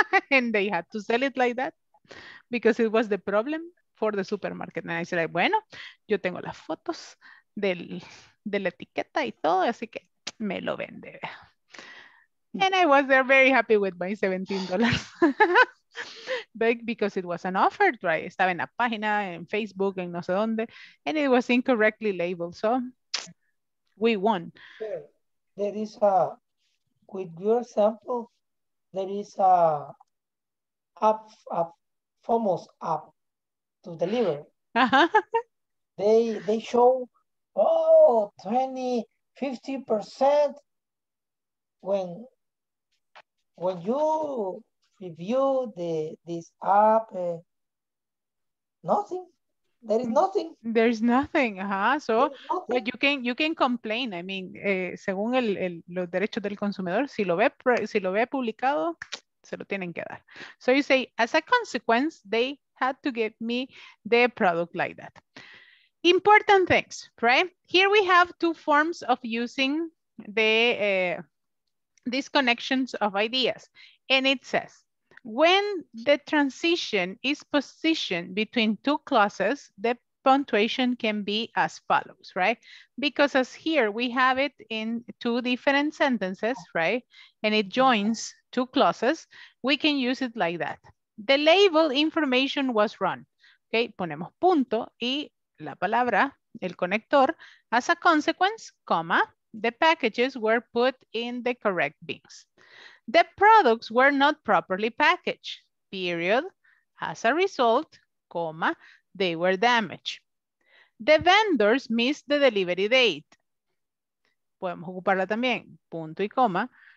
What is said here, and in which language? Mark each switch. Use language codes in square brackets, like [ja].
[en] And they had to sell it like that because it was the problem for the supermarket. And I said, like, [es] bueno, yo tengo las fotos de la etiqueta y todo, así que me lo vende. [en] And I was there very happy with my $17. Because it was an offer, right? [es] Estaba en la página, en Facebook, en no sé dónde. [en] And it was incorrectly labeled. So we won. Yeah. There is a, with your sample, there is a app, a FOMOS app to deliver. Uh-huh. They show, oh, 20, 50% when you review this app, nothing. There is nothing. There's nothing. Uh-huh. So nothing. But you can complain. I mean, [es] según los derechos del consumidor, si lo ve publicado, se lo tienen que dar. [en] So you say, as a consequence, they had to give me the product like that. Important things, right? Here we have two forms of using these connections of ideas. And it says, when the transition is positioned between two clauses, the punctuation can be as follows, right? Because as here, we have it in two different sentences, right? And it joins two clauses. We can use it like that. The label information was run. [es] Okay, ponemos punto y la palabra, el conector. [en] As a consequence, comma, the packages were put in the correct bins. The products were not properly packaged, period. As a result, comma, they were damaged. The vendors missed the delivery date. [es] Podemos ocuparla también, punto y coma.